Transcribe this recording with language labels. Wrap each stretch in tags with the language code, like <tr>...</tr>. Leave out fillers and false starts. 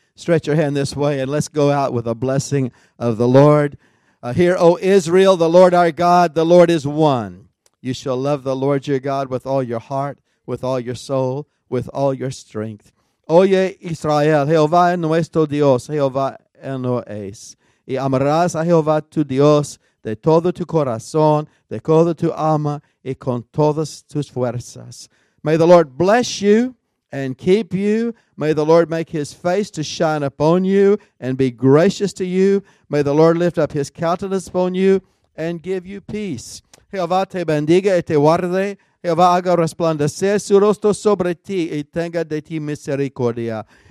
<en>Stretch your hand this way, and let's go out with a blessing of the Lord. Hear, O Israel, the Lord our God, the Lord is one. You shall love the Lord your God with all your heart, with all your soul, with all your strength.</en> <es>Oye, Israel, Jehová es nuestro Dios, Jehová es nuestro. Y amarás a Jehová tu Dios de todo tu corazón, de todo tu alma, y con todas tus fuerzas.</es> <en>May the Lord bless you and keep you. May the Lord make his face to shine upon you and be gracious to you. May the Lord lift up his countenance upon you and give you peace.</en> <es>Jehová te bendiga y te guarde. Jehová haga resplandecer su rostro sobre ti y tenga de ti misericordia.</es>